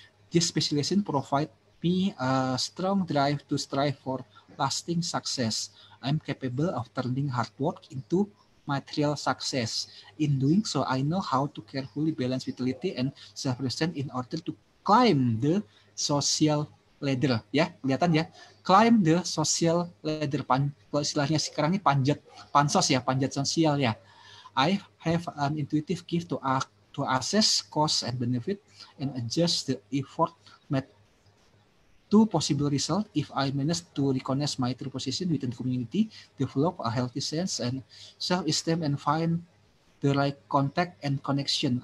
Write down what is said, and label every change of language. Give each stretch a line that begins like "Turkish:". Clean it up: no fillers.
English: This specialization provide me a strong drive to strive for lasting success. I'm capable of turning hard work into material success. In doing so, I know how to carefully balance vitality and self-restraint in order to climb the social ladder.
Indonesian: Ya, kelihatan ya?
English: Climb the social ladder.
Indonesian: Kalau istilahnya sekarang ini panjat pansos ya, panjat sosial ya.
English: I have an intuitive gift to assess cost and benefit and adjust the effort met to possible result if I manage to recognize my true position within the community, develop a healthy sense and self-esteem and find the right contact and connection.